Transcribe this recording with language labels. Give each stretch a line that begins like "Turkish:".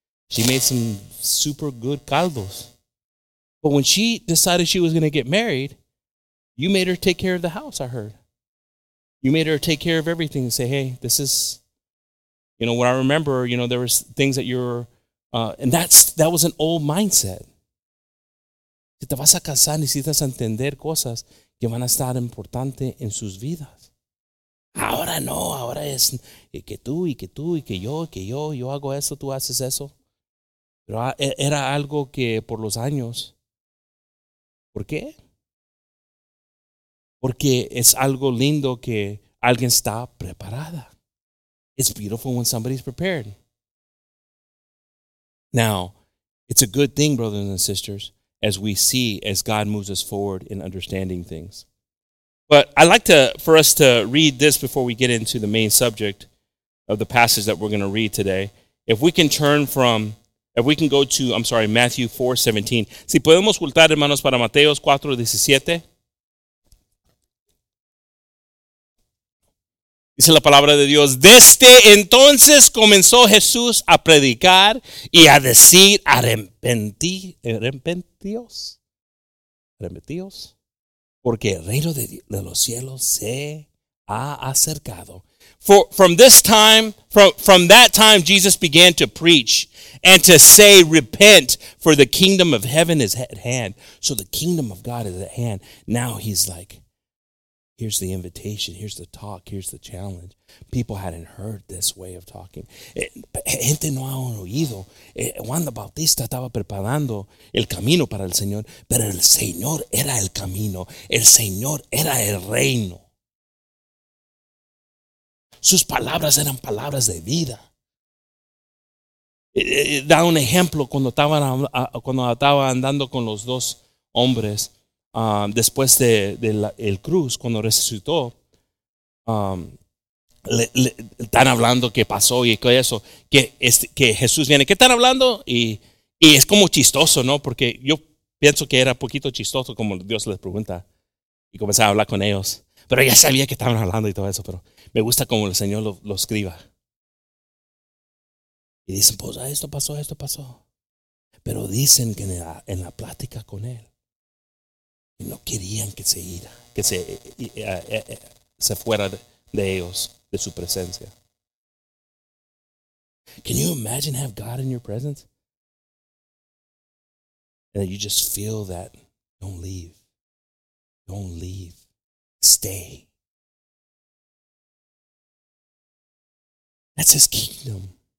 English: She made some super good caldos. But when she decided she was going to get married, you made her take care of the house, I heard. You made her take care of everything and say, hey, this is, you know, what I remember, you know, there was things that you're, and that was an old mindset.
Spanish: Si te vas a casar, necesitas entender cosas que van a estar importantes en sus vidas. Ahora no, ahora es que tú, y que yo hago eso, tú haces eso. Pero era algo que por los años, ¿por qué? Porque es algo lindo que alguien está preparada.
English: It's beautiful when somebody's prepared. Now, it's a good thing, brothers and sisters, as we see, as God moves us forward in understanding things. But I'd like for us to read this before we get into the main subject of the passage that we're going to read today. If we can go to Matthew 4:17. Si podemos voltar, hermanos, para Mateo 4:17. Dice la palabra de Dios, desde entonces comenzó Jesús a predicar y a decir, arrepentíos, porque el reino de los cielos se ha acercado. From that time, Jesus began to preach and to say, repent, for the kingdom of heaven is at hand. So the kingdom of God is at hand. Now he's like, here's the invitation, here's the talk, here's the challenge. People hadn't heard this way of talking.
Spanish: Gente no ha oído. Juan Bautista estaba preparando el camino para el Señor, pero el Señor era el camino. El Señor era el reino. Sus palabras eran palabras de vida. Da un ejemplo cuando estaba andando con los dos hombres. Después del cruz, cuando resucitó, le están hablando qué pasó y qué eso, que Jesús viene. ¿Qué están hablando? Y es como chistoso, ¿no? Porque yo pienso que era poquito chistoso como Dios les pregunta y comenzaba a hablar con ellos. Pero ya sabía que estaban hablando y todo eso, pero me gusta como el Señor lo escriba. Y dicen, pues esto pasó. Pero dicen que en la plática con él, no querían que se ira, que se fuera de ellos, de su presencia.
English: Can you imagine have God in your presence? And you just feel that, don't leave. Stay. That's his kingdom.